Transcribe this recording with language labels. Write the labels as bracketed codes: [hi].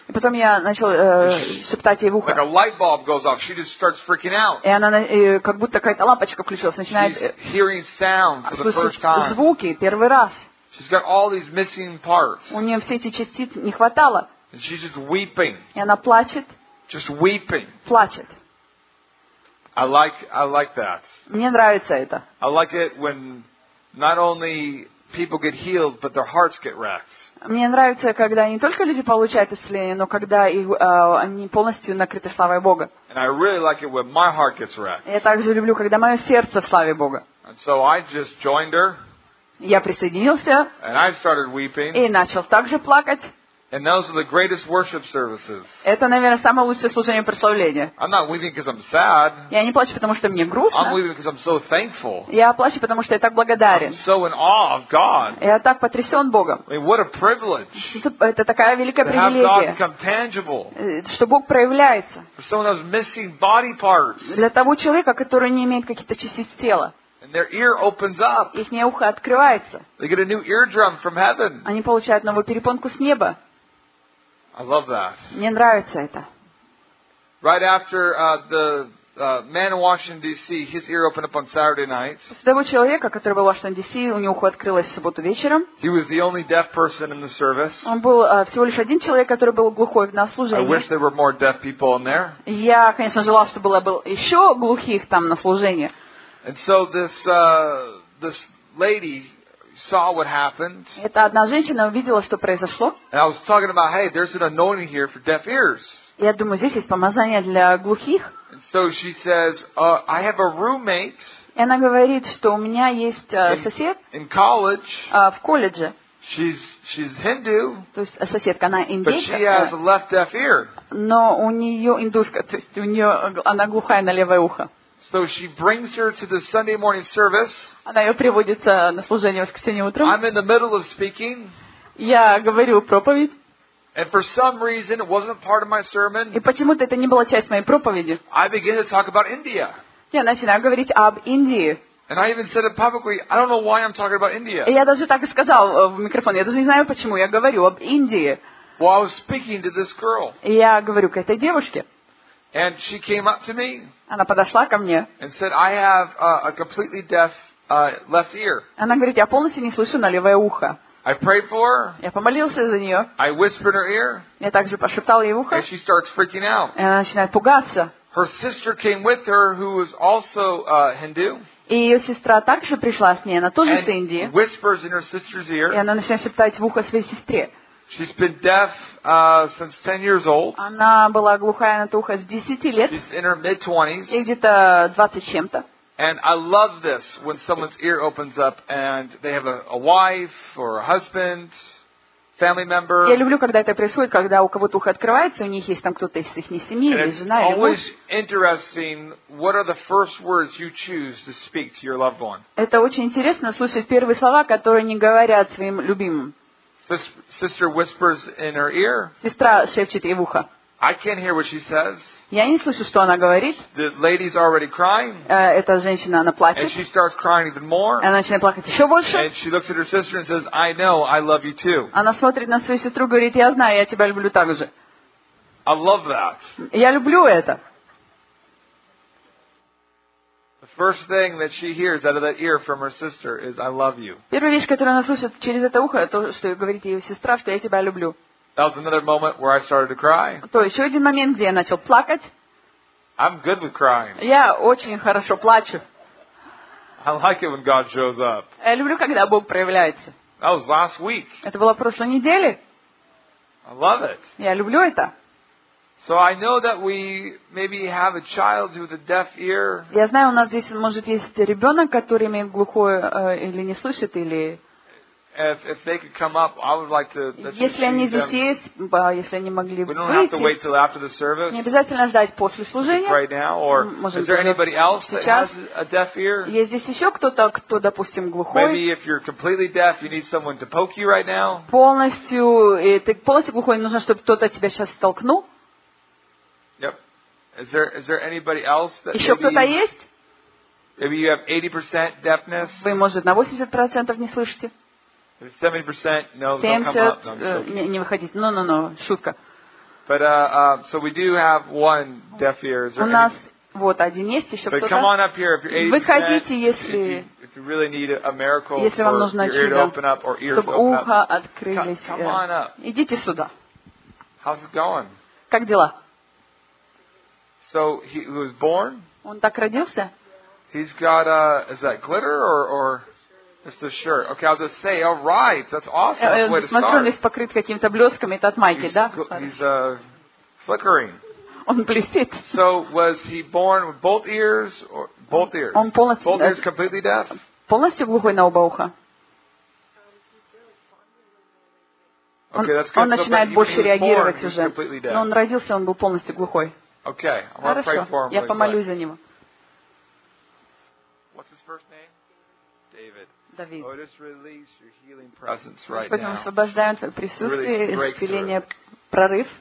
[ru] И потом я начал шептать ей в ухо. [en] Like a light bulb goes off, she just starts freaking out. [ru] И она как будто какая-то лампочка включилась, начинает [en] hearing sounds for the first time. [ru] Звуки первый раз. [en] She's got all these missing parts. [ru] У нее все эти частицы не хватало. [en] And she's just weeping. [ru] И она плачет. [en] Just weeping. [ru] Плачет. [en] I like that. [ru] Мне нравится это. [en] I like it when not only people get healed, but their hearts get wrecked. [ru] Мне нравится, когда не только люди получают исцеление, но когда они полностью накрыты славой Бога. [en] And I really like it when my heart gets wrecked. [ru] Я также люблю, когда мое сердце в славе Бога. [en] And so I just joined her. [ru] Я присоединился. [en] And I started weeping. [ru] И начал также плакать. [en] And those are the greatest worship services. [ru] Это, наверное, самое лучшее служение прославления. [en] I'm not weeping because I'm sad. [ru] Я не плачу, потому что мне грустно. [en] I'm weeping because I'm so thankful. [ru] Я плачу, потому что я так благодарен. [en] I'm so in awe of God. [ru] Я так потрясен Богом. [en] I mean, what a privilege. [ru] Это такая великая привилегия. [en] To have God become tangible. [ru] Что Бог проявляется. [en] For someone who's missing body parts. [ru] Для того человека, который не имеет каких-то частиц тела. [en] And their ear opens up. [ru] Ихнее ухо открывается. [en] They get a new eardrum from heaven. [ru] Они получают новую перепонку с неба. [en] I love that. [ru] Мне нравится это. [en] Right after the man in Washington D.C. His ear opened up on Saturday night. [ru] Того человека, который был в Washington D.C., у него ухо открылось в субботу вечером. [en] He was the only deaf person in the service. [ru] Он был всего лишь один человек, который был глухой на служении. [en] I wish there were more deaf people in there. [ru] Я, конечно, желал, чтобы было еще глухих там на служении. [en] And so this lady saw what happened. [ru] Эта одна женщина увидела, что произошло. [en] And I was talking about, hey, there's an anointing here for deaf ears. [ru] Я думаю, здесь есть помазание для глухих. [en] So she says, I have a roommate. [ru] И она говорит, что у меня есть сосед. [en] In college. [ru] В колледже. [en] She's Hindu. [ru] То есть соседка, она индейка. [en] But she has a left deaf ear. [ru] Но у нее индуска, то есть у нее она глухая на левое ухо. [en] So she brings her to the Sunday morning service. [ru] Она ее приводит на служение воскресенье утром. [en] I'm in the middle of speaking. [ru] Я говорю проповедь. [en] And for some reason, it wasn't part of my sermon. [ru] И почему-то это не была часть моей проповеди. [en] I began to talk about India. [ru] Я начинаю говорить об Индии. [en] And I even said it publicly. I don't know why I'm talking about India. [ru] И я даже так и сказал в микрофон. Я даже не знаю, почему я говорю об Индии. [en] While I was speaking to this girl. [ru] И я говорю к этой девушке. [en] And she came up to me. [ru] Она подошла ко мне. [en] And said, "I have a completely deaf left ear." [ru] Она говорит, я полностью не слышу на левое ухо. [en] I prayed for her. [ru] Я помолился за нее. [en] I whispered in her ear. [ru] Я также пошептал ей в ухо. [en] And she starts freaking out. [ru] И она начинает пугаться. [en] Her sister came with her, who was also Hindu. [ru] И ее сестра также пришла с ней, она тоже из Индии. [en] And whispers in her sister's ear. [ru] И она начинает шептать в ухо своей сестре. [en] She's been deaf since 10 years old. [ru] Она была глухая на то ухо с 10 лет. [en] She's in her mid-20s. [ru] И где-то 20 чем-то. [en] And I love this when someone's ear opens up and they have a wife or a husband, family member. [ru] Я люблю, когда это происходит, когда у кого-то ухо открывается, у них есть там кто-то из их семьи, или жена, или муж. [en] Always interesting. What are the first words you choose to speak to your loved one? [ru] Это очень интересно слушать первые слова, которые не говорят своим любимым. [en] Sister whispers in her ear. [ru] Сестра шепчет ей в ухо. [en] I can't hear what she says. [ru] Я не слышу, что она говорит. [en] The lady's already crying. [ru] Эта женщина, она плачет. [en] And she starts crying even more. [ru] Она начинает плакать еще больше. [en] And she looks at her sister and says, "I know, I love you too." [ru] Она смотрит на свою сестру и говорит, "Я знаю, я тебя люблю также." [en] I love that. [ru] Я люблю это. [en] The first thing that she hears out of that ear from her sister is, "I love you." [ru] Первая вещь, которую она слышит через это ухо, то, что говорит ее сестра, что я тебя люблю. [en] That was another moment where I started to cry. [ru] То еще один момент, где я начал плакать. [en] I'm good with crying. [ru] Я очень хорошо плачу. [en] I like it when God shows up. [ru] Я люблю, когда Бог проявляется. [en] That was last week. [ru] Это было в прошлой неделе. [en] I love it. [ru] Я люблю это. [en] So I know that we maybe have a child with a deaf ear. [ru] Я знаю, у нас здесь может есть ребенок, который имеет глухое или не слышит или. [en] If they could come up, I would like to. [ru] Если они здесь [en] them. [ru] Есть, если они могли выйти. [en] We don't have to wait till after the service. [ru] Не обязательно ждать после служения. [en] Right now, or is there anybody else that has a deaf ear? [ru] Есть здесь еще кто-то, кто, допустим, глухой? [en] Maybe if you're completely deaf, you need someone to poke you right now. [ru] Полностью, и ты полностью глухой, нужно, чтобы кто-то тебя сейчас толкнул. [en] Yep. Is there anybody else that? [ru] Еще кто-то есть? [en] Maybe you have 80% deafness. [ru] Вы, может, на 80% не слышите? [en] 70%, no, 70, come up. [ru] Не выходить. Ну, шутка. [en] But so we do have one deaf ear. [ru] У нас вот один есть еще кто-то. [en] But come on up here if you're 80%. [ru] Выходите, если [en] if you really need a miracle. [ru] Если вам нужно чудо, [en] open up or ears [ru] чтобы [en] open [ru] ухо [en] up. [ru] Открылись. [en] Come on up. [ru] Идите сюда. [en] How's it going? [ru] Как дела? [en] So he was born. [ru] Он так родился? [en] He's got is that glitter or? It's the shirt. Okay, I'll just say, all right, that's awesome. That's the way to start. [ru] Смотрю, он покрыт какими-то блестками, это от майки, [en] he's, [ru] да? [en] He's flickering. [ru] Он блестит. [en] So was he born with both ears or both ears? [ru] Он полностью. [en] Both ears completely deaf. [ru] Полностью глухой на оба уха. [en] Okay, that's good. [ru] Он начинает больше реагировать уже. [en] Completely deaf. [ru] Но он родился, он был полностью глухой. [en] Okay, I'm gonna pray for him. [ru] Я помолюсь за него. [en] What's his first name? David. David. Lord, just release your healing presence right [ru] Господи, [en] now. [ru] Мы освобождаем твое присутствие, исцеление, прорыв